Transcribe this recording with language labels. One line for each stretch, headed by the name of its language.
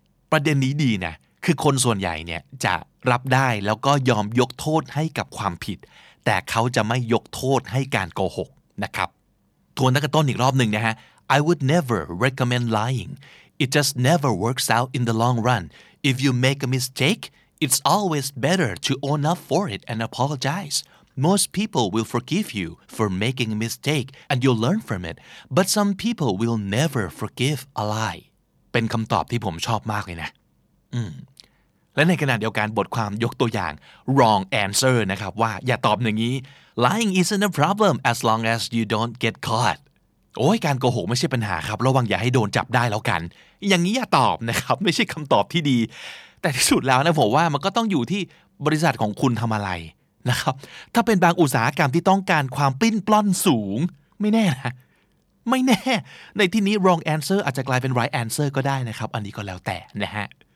Thai: ประเด็นนี้ดีนะคือคนส่วนใหญ่เนี่ยจะรับได้แล้วก็ยอมยกโทษให้กับความผิดแต่เขาจะไม่ยกโทษให้การโกหกนะครับทวนตั้งแต่ต้นอีกรอบหนึ่งนะฮะ
English: I would never recommend lyingIt just never works out in the long run. If you make a mistake, it's always better to own up for it and apologize. Most people will forgive you for making a mistake and you'll learn from it. But some people will never forgive a lie.
Thai: เป็นคำตอบที่ผมชอบมากเลยนะ และในขณะเดียวกันบทความยกตัวอย่าง wrong answer นะครับว่าอย่าตอบอย่างนี้
English: lying isn't a problem as long as you don't get caught
Thai: โอ้ยการโกหกไม่ใช่ปัญหาครับระวังอย่าให้โดนจับได้แล้วกันอย่างนี้อย่าตอบนะครับไม่ใช่คำตอบที่ดีแต่ที่สุดแล้วนะผมว่ามันก็ต้องอยู่ที่บริษัทของคุณทำอะไรนะครับถ้าเป็นบางอุตสาหกรรมที่ต้องการความปลิ้นปล้อนสูงไม่แน่นะไม่แน่ในที่นี้ wrong answer อาจจะกลายเป็น right answer ก็ได้นะครับอันนี้ก็แล้วแต่นะฮะ